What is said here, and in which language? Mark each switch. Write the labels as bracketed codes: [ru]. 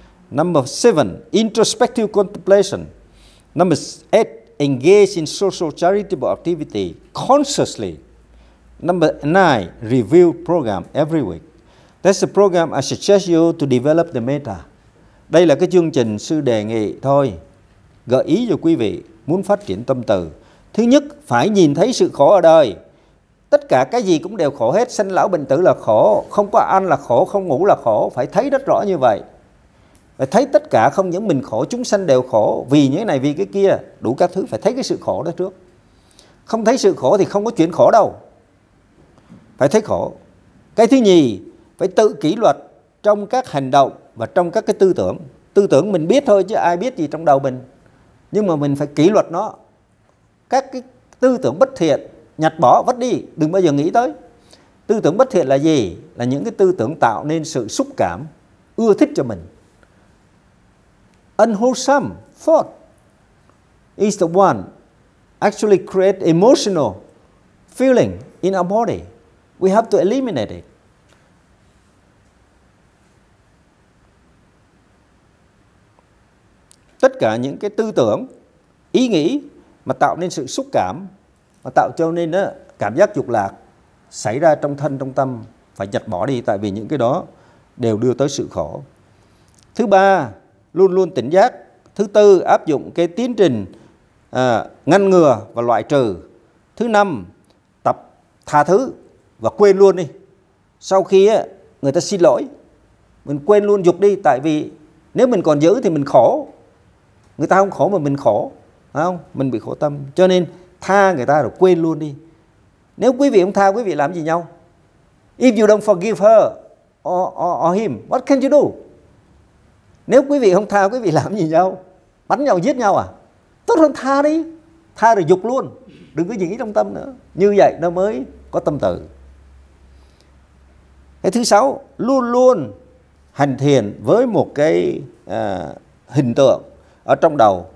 [en] Number seven, introspective contemplation. Number eight, engage in social charitable activity consciously. Number nine, review program every week. That's the program I suggest you to develop the metta. [vi] Đây là cái chương trình sư đề nghị thôi, gợi ý cho quý vị muốn phát triển tâm từ. Thứ nhất, phải nhìn thấy sự khổ ở đời. Tất cả cái gì cũng đều khổ hết, sinh lão bệnh tử là khổ, không có ăn là khổ, không ngủ là khổ, phải thấy rất rõ như vậy. Phải thấy tất cả không những mình khổ, chúng sanh đều khổ, vì như thế này, vì cái kia, đủ các thứ, phải thấy cái sự khổ đó trước. Không thấy sự khổ thì không có chuyện khổ đâu. Phải thấy khổ. Cái thứ nhì, phải tự kỷ luật trong các hành động và trong các cái tư tưởng. Tư tưởng mình biết thôi chứ ai biết gì trong đầu mình. Nhưng mà mình phải kỷ luật nó. Các cái tư tưởng bất thiện, nhặt bỏ, vứt đi, đừng bao giờ nghĩ tới. Tư tưởng bất thiện là gì? Là những cái tư tưởng tạo nên sự xúc cảm, ưa thích cho mình. [en] Unwholesome thought is the one actually create emotional feeling in our body. We have to eliminate it. [vi] Tất cả những cái tư tưởng, ý nghĩ mà tạo nên sự xúc cảm, mà tạo cho nên cảm giác dục lạc xảy ra trong thân, trong tâm, phải dẹp bỏ đi, tại vì những cái đó đều đưa tới sự khổ. Thứ ba, luôn luôn tỉnh giác. Thứ tư, áp dụng cái tiến trình ngăn ngừa và loại trừ. Thứ năm, tập tha thứ và quên luôn đi. Sau khi người ta xin lỗi, mình quên luôn dục đi, tại vì nếu mình còn giữ thì mình khổ. Người ta không khổ mà mình khổ, phải không? Mình bị khổ tâm. Cho nên tha người ta rồi quên luôn đi. Nếu quý vị không tha, quý vị làm gì nhau? [en] If you don't forgive her or him, what can you do? [vi] Nếu quý vị không tha, quý vị làm gì nhau? Bắn nhau, giết nhau à? Tốt hơn tha đi. Tha rồi dục luôn. Đừng có nghĩ trong tâm nữa. Như vậy nó mới có tâm từ. Cái thứ sáu, luôn luôn hành thiền với một cái hình tượng ở trong đầu.